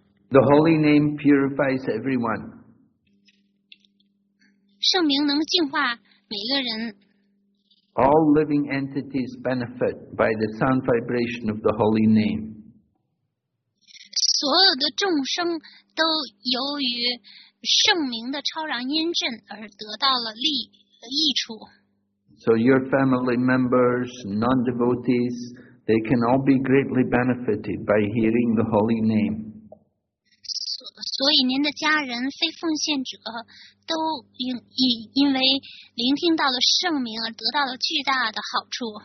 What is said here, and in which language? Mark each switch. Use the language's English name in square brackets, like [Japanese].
[English] The holy name purifies everyone. [Chinese] 圣名能净化每个人。 [English] All living entities benefit by the sound vibration of the holy name. [Chinese] 所有的众生都由于圣名的超然音阵而得到了利益处。 [English] So your family members, non-devotees, they can all be greatly benefited by hearing the holy name. [Chinese] 所以您的家人非奉献者都 因为聆听到了圣名而得到了巨大的好处